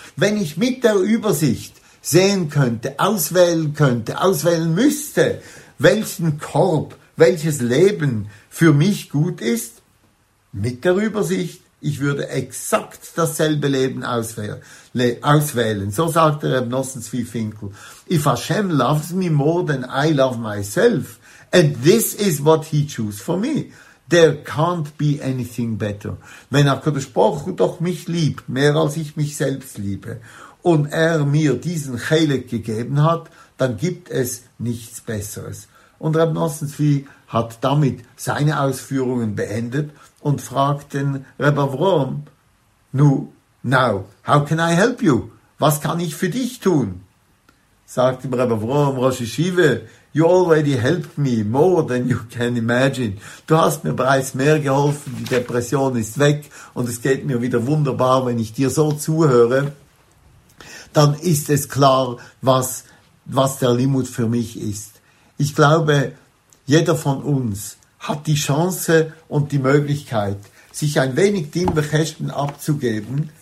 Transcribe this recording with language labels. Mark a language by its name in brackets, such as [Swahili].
[German] Wenn ich mit der Übersicht sehen könnte, auswählen müsste, welchen Korb, welches Leben für mich gut ist, mit der Übersicht, ich würde exakt dasselbe Leben auswählen. So sagt der Reb Nosson Zvi Finkel. [English] If Hashem loves me more than I love myself, and this is what he chose for me, there can't be anything better. [German] Wenn HaKadosh Baruch Hu doch mich liebt, mehr als ich mich selbst liebe, und er mir diesen Chelek gegeben hat, dann gibt es nichts Besseres. Und Reb Nosson Zvi hat damit seine Ausführungen beendet und fragt den Reb Avrom, [English] now, how can I help you? [German] Was kann ich für dich tun? Sagt dem [English] Reb Avrom, Rosh Yeshiva, you already helped me more than you can imagine. [German] Du hast mir bereits mehr geholfen, die Depression ist weg und es geht mir wieder wunderbar, wenn ich dir so zuhöre. Dann ist es klar, was der Limud für mich ist. Ich glaube, jeder von uns hat die Chance und die Möglichkeit, sich ein wenig Din v'Cheshbon abzugeben.